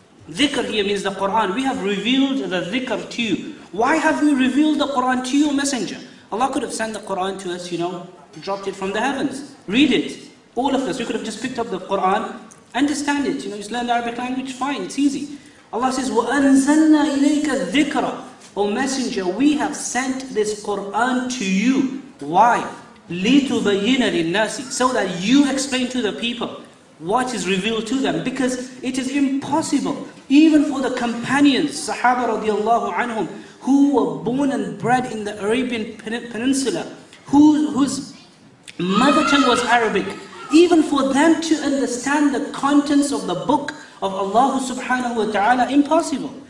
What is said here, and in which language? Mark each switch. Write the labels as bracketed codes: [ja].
[en] Dhikr here means the Quran. We have revealed the dhikr to you. Why have we revealed the Quran to you, Messenger? Allah could have sent the Quran to us, you know, dropped it from the heavens. Read it. All of us. We could have just picked up the Quran, understand it. You know, just learn the Arabic language, fine, it's easy. Allah says, [ar] وَأَنزَلْنَا إِلَيْكَ الذِّكْرَ. [en] O Messenger, we have sent this Quran to you. Why? [ar] لِتُبَيِّنَ لِلنَّاسِ. [en] So that you explain to the people what is revealed to them. Because it is impossible, even for the companions, Sahaba radiallahu anhum, who were born and bred in the Arabian Peninsula, whose mother tongue was Arabic, even for them to understand the contents of the book of Allah subhanahu wa ta'ala, impossible.